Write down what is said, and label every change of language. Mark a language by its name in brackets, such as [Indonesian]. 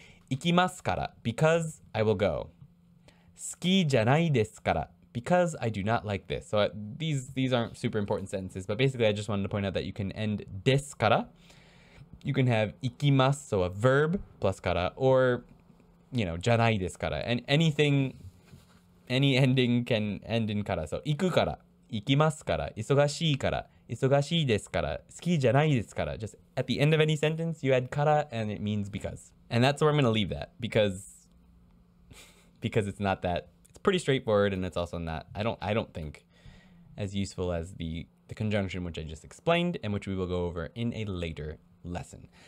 [Japanese] 行きますから, [English] because I will go. [Japanese] 好きじゃないですから, [English] because I do not like this. So these aren't super important sentences, but basically I just wanted to point out that you can end desu. You can have 行きます, so a verb, plus kara, or, you know, [Japanese] janai desu kara. [English] And anything, any ending can end in kara. So, [Japanese] 行くから, 行きますから, 忙しいから, 忙しいですから, 好きじゃないですから. [English] Just at the end of any sentence, you add kara, and it means because. And that's where I'm going to leave that, because it's not that, it's pretty straightforward, and it's also not, I don't think, as useful as the conjunction which I just explained, and which we will go over in a later lesson.